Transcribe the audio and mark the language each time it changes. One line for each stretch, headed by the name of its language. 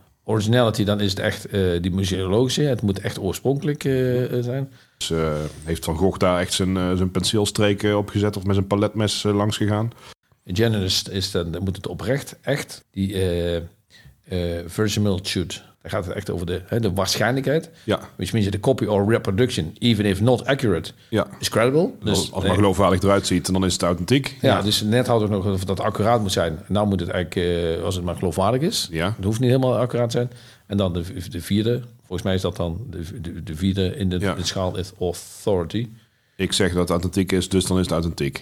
Dutch: Originality, dan is het echt die museologische, het moet echt oorspronkelijk zijn. Dus heeft Van Gogh daar echt zijn penseelstreken opgezet of met zijn paletmes langs gegaan? Genuineness is dan moet het oprecht, echt. Die verisimilitude, daar gaat het echt over de waarschijnlijkheid. Ja.
English: Which means that the copy or reproduction, even if not accurate, is credible.
Dutch: Dus, als maar geloofwaardig eruit ziet, dan is het authentiek. Ja, dus net hadden we nog dat het accuraat moet zijn. Nou moet het eigenlijk, als het maar geloofwaardig is. Ja. Het hoeft niet helemaal accuraat te zijn. En dan de vierde. Volgens mij is dat dan de vierde in de schaal is authority. Ik zeg dat het authentiek is, dus dan is het authentiek.